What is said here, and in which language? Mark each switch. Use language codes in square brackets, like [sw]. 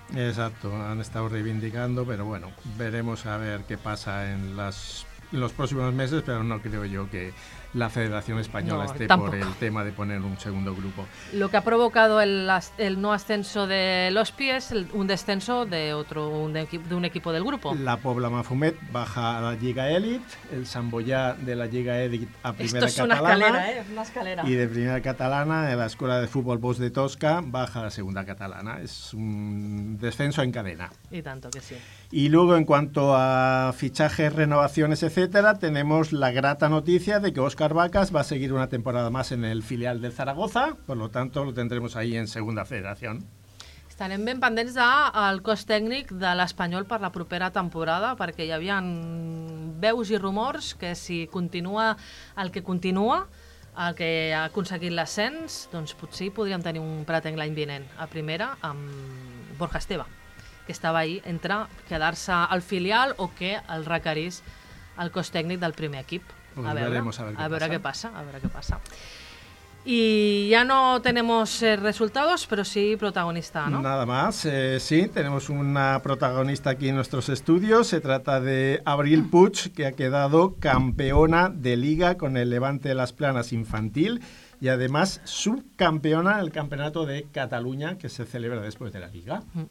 [es] Exacto, han estado reivindicando, pero bueno, veremos a ver qué pasa en los próximos meses, pero no creo yo que la Federación Española esté tampoco por el tema de poner un segundo grupo. Lo que ha provocado el no ascenso de los pies, un descenso de un equipo del grupo. La Pobla Mafumet baja a la Lliga Elite, el Sant Boià de la Lliga Elite a Primera Esto es catalana, una escalera. Y de Primera Catalana, en la Escuela de Fútbol Bosch de Tosca, baja a la Segunda Catalana. Es un descenso en cadena. Y tanto que sí. Y luego, en cuanto a fichajes, renovaciones, etcétera, tenemos la grata noticia de que Óscar Vacas va a seguir una temporada más en el filial del Zaragoza, por lo tanto lo tendremos ahí en Segunda Federación. [ca] Estarem ben pendents al cos tècnic de l'Espanyol per la propera temporada, perquè hi havia veus i rumors que si continua el que continua, el que ha aconseguit l'ascens, doncs potser podríem tenir un pretenc l'any vinent a primera amb Borja Esteve, que estava ahí entre quedar-se al filial o que el requerís el cos tècnic del primer equip. Pues a veure què passa. [es] Y ya no tenemos resultados, pero sí protagonista, ¿no? Nada más, sí, tenemos una protagonista aquí en nuestros estudios. Se trata de Abril Puig, que ha quedado campeona de Liga con el Levante de las Planas infantil y además subcampeona en el Campeonato de Cataluña, que se celebra después de la Liga.